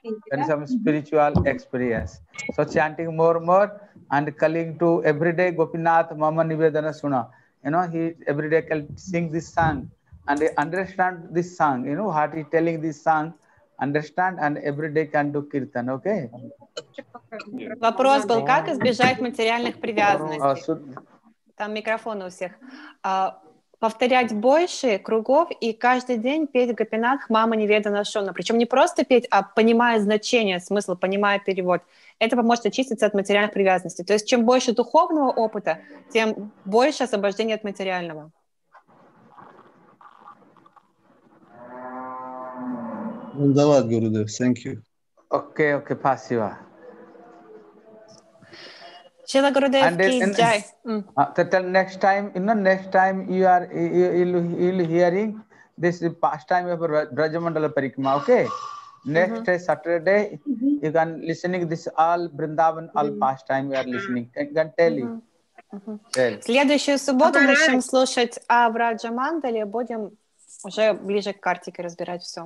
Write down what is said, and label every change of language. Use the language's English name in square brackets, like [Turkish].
[English] Then some spiritual experience. So chanting more and calling to everyday Gopinath Mama Nivedana Suna. You know, he everyday can sing this song and understand this song, you know, heart is telling this song. Understand and every day can do kirtan, okay? [Russian] Вопрос был, как избежать материальных привязанностей? Там микрофон у всех. Повторять больше кругов и каждый день петь Гопинатх Мама Неведана Шона. Причем не просто петь, а понимая значение, смысл, понимая перевод. Это поможет очиститься от материальных привязанностей. То есть чем больше духовного опыта, тем больше освобождение от материального. [English] Давай, Gurudev. Thank you. Okay, okay. Спасибо. Шила Gurudev, please, Jai. Tell next time, you know, next time you'll hearing this pastime of Brajamandala Parikrama, okay? Next day, Saturday, you can listening this all Vrindavan, all pastime you are listening. I can tell you. Tell. [Russian] Следующую субботу начнем слушать о Брадже-мандале, будем уже ближе к картике разбирать все.